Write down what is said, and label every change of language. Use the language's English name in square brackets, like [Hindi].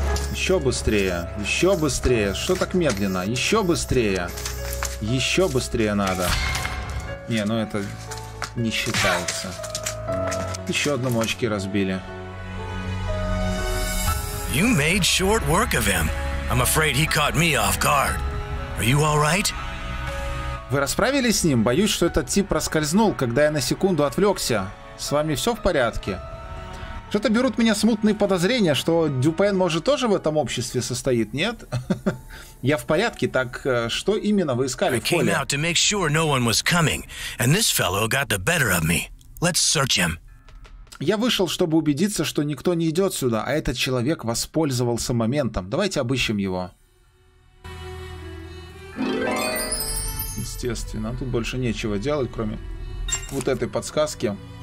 [Russian] Еще быстрее, еще быстрее. Что так медленно? Еще быстрее. Еще быстрее надо. Не, ну это не считается. Еще одному очки разбили. [English] You made short work of him. I'm afraid he caught me off guard. Are you all right? [Russian] Вы расправились с ним? Боюсь, что этот тип проскользнул, когда я на секунду отвлекся. С вами все в порядке? Что-то берут меня смутные подозрения, что Дюпен может тоже в этом обществе состоит, нет? Я в порядке, так что именно вы искали в поле? [English] I came out to make sure no one was coming, and this fellow got the better of me. Let's search him. [Russian] Я вышел, чтобы убедиться, что никто не идет сюда, а этот человек воспользовался моментом. Давайте обыщем его. естественно. Тут больше нечего делать, кроме вот этой подсказки.